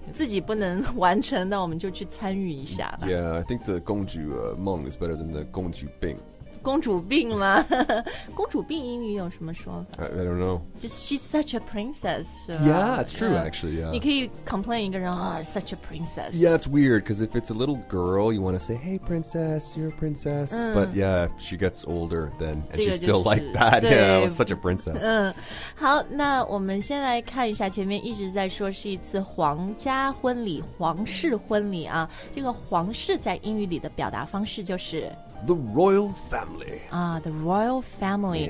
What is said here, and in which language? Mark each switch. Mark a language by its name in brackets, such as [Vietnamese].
[Chinese] 自己不能完成，那我们就去参与一下吧。 [English] Yeah, I think the 公主梦 is better than the 公主病。 [Chinese] 公主病吗？公主病英语有什么说？ [English] I don't know. Just she's such a princess. Yeah, it's true, actually. Yeah. [Chinese] 你可以 complain 一个人啊、 [English] oh, such a princess. Yeah, it's weird because if it's a little girl, you want to say, hey, princess, you're a princess. But yeah, if she gets older, then and、 [Chinese] 这个就是、 [English] she's still like that. Yeah, such a princess. [Chinese] 好，那我们先来看一下前面一直在说是一次皇家婚礼，皇室婚礼啊。这个皇室在英语里的表达方式就是。 [English] The royal family. Ah, the royal family.